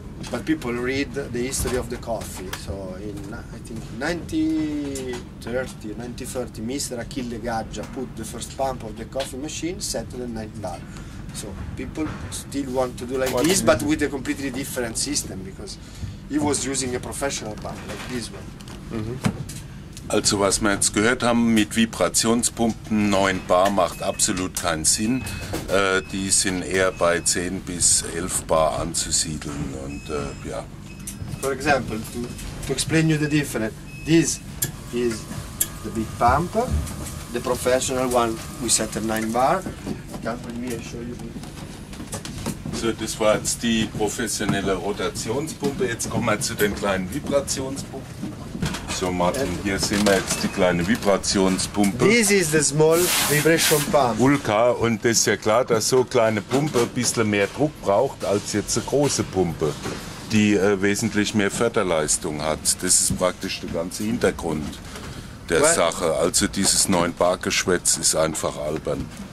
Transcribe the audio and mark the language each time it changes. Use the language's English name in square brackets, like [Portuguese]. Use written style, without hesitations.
[English] But people read the history of the coffee. So in, I think, 1930, Mr. Achille Gaggia put the first pump of the coffee machine set at 9 bar. So people still want to do like what this, but with a completely different system because he was using a professional pump like this one. [German] Also was wir jetzt gehört haben, mit Vibrationspumpen 9 bar macht absolut keinen Sinn. Die sind eher bei 10 bis 11 bar anzusiedeln und ja. [English] For example, to explain you the difference, this is the big pump, the professional one we set at 9 bar. Come with me, I show you. [German] So, das war jetzt die professionelle Rotationspumpe, jetzt kommen wir zu den kleinen Vibrationspumpen. So Martin, hier sehen wir jetzt die kleine Vibrationspumpe. [English] This is the small vibration pump. [German] Ulka, und das ist ja klar, dass so kleine Pumpe ein bisschen mehr Druck braucht als jetzt eine große Pumpe, die wesentlich mehr Förderleistung hat. Das ist praktisch der ganze Hintergrund der Sache. Also dieses 9 Bar Geschwätz ist einfach albern.